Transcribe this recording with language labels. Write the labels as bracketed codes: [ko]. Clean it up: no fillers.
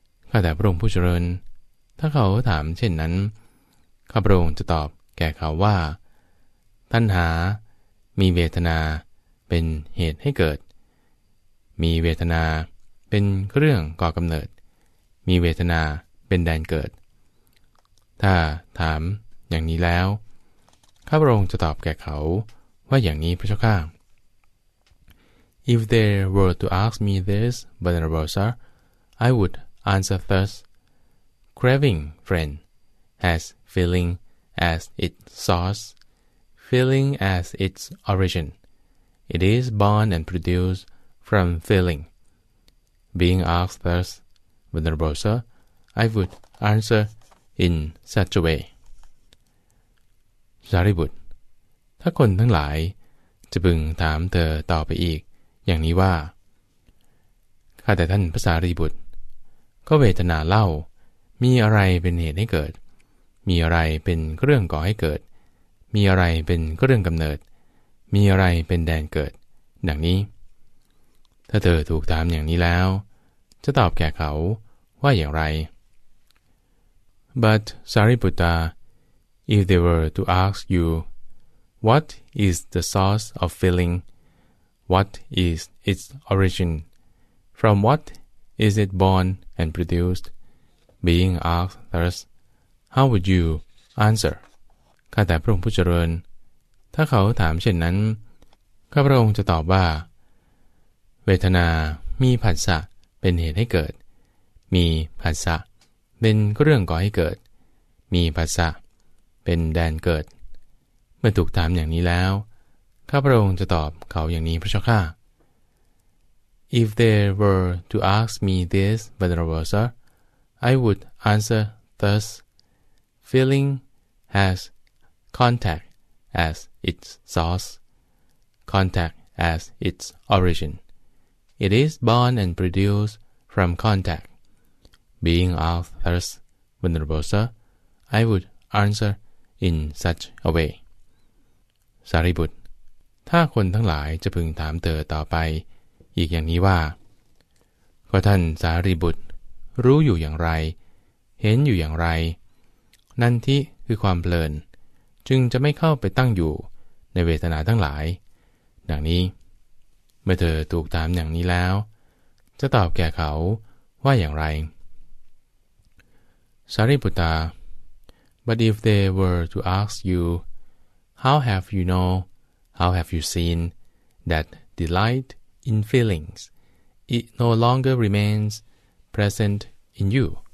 [th] ข้าแต่พระองค์ผู้เจริญถ้าเขาถามเช่นนั้นข้าพระองค์จะตอบแก่เขาว่าตัณหามีเวทนาเป็นเหตุให้เกิดมีเวทนาเป็นเครื่องก่อกำเนิดมีเวทนาเป็นแดนเกิดถ้าถามอย่างนี้แล้วข้าพระองค์จะตอบแก่เขาว่าอย่างนี้พระเจ้าข้า [en] If they were to ask me this, Venerable Sir, I would answer thusCraving, friend, has feeling as its source, feeling as its origin. It is born and produced from feeling. Being asked thus, Venerable Sir, I would answer in such a way. [th] สารีบุตรถ้าคนทั้งหลายจะพึงถามเธอต่อไปอีกอย่างนี้ว่าข้าแต่ท่านพระสารีบุตรก็เวทนาเล่ามีอะไรเป็นเหตุให้เกิดมีอะไรเป็นเรื่องก่อให้เกิดมีอะไรเป็นเรื่องกำเนิดมีอะไรเป็นแดนเกิดดังนี้ถ้าเธอถูกถามอย่างนี้แล้วจะตอบแก่เขาว่าอย่างไร [en] But Sariputta, if they were to ask you, what is the source of feeling? What is its origin? From what is it born and produced? Being asked thus, how would you answer? [th] ข้าแต่พระองค์ผู้เจริญถ้าเขาถามเช่นนั้นข้าพระองค์จะตอบว่าเวทนามีผัสสะเป็นเหตุให้เกิดมีผัสสะเป็นเรื่องก่อให้เกิดมีผัสสะเป็นแดนเกิดเมื่อถูกถามอย่างนี้แล้วข้าพระองค์จะตอบเขาอย่างนี้พระเจ้าข้า [en] If they were to ask me this, Venerable Sir, I would answer thus. Feeling has contact as its source, contact as its origin. It is born and produced from contact. Being asked thus, Venerable Sir, I would answer in such a way. [th] สารีบุตรถ้าคนทั้งหลายจะพึงถามเธอต่อไปอีกอย่างนี้ว่าก็ท่านสารีบุตรรู้อยู่อย่างไรเห็นอยู่อย่างไรนันทิคือความเพลินจึงจะไม่เข้าไปตั้งอยู่ในเวทนาทั้งหลายดังนี้เมื่อเธอถูกถามอย่างนี้แล้วจะตอบแก่เขาว่าอย่างไร [en] สารีบุตร But if they were to ask youHow have you know, how have you seen, that delight in feelings, it no longer remains present in you?